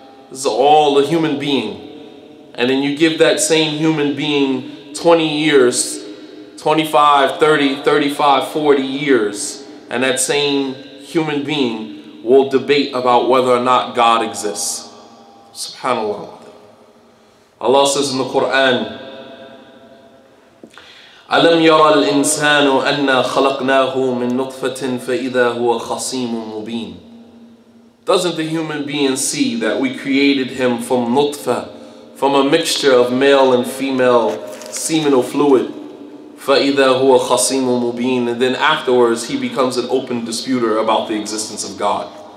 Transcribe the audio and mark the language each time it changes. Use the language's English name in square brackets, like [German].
[English] This is all a human being. And then you give that same human being 20 years, 25, 30, 35, 40 years, and that same human being will debate about whether or not God exists. SubhanAllah. Allah says in the Quran, [Arabic] أَلَمْ يَرَى الْإِنسَانُ أَنَّا خَلَقْنَاهُ مِن نُطْفَةٍ فَإِذَا هُوَ خَصِيمٌ مُبِينٌ. [English] Doesn't the human being see that we created him from nutfa, from a mixture of male and female seminal fluid? [Arabic] فَإِذَا هُوَ خَصِيمٌ مُبِينٌ. [English] And then afterwards, he becomes an open disputer about the existence of God.